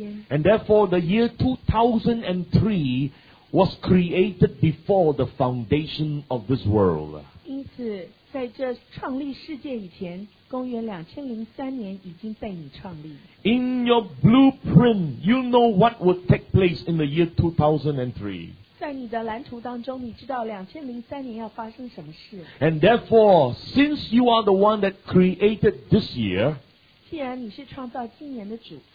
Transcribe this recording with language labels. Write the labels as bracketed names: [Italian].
[English] And therefore, the year 2003 was created before the foundation of this world. [Chinese] 因此在这创立世界以前公元2003年已经被你创立 [English] In your blueprint you know what would take place in the year 2003 [Chinese] 在你的蓝图当中你知道2003年要发生什么事 [English] And therefore since you are the one that created this year [Chinese] 既然你是创造今年的主